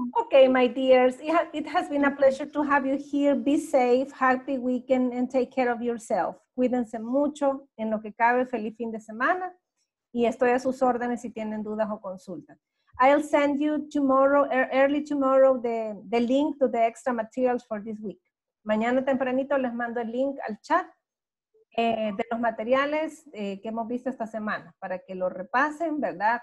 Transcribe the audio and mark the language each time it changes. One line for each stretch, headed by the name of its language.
English: Ok, my dears, it has been a pleasure to have you here. Be safe, happy weekend, and take care of yourself.
Spanish: Cuídense mucho en lo que cabe. Feliz fin de semana. Y estoy a sus órdenes si tienen dudas o consultas.
English: I'll send you tomorrow, early tomorrow, the link to the extra materials for this week.
Spanish: Mañana tempranito les mando el link al chat de los materiales que hemos visto esta semana para que lo repasen, ¿verdad?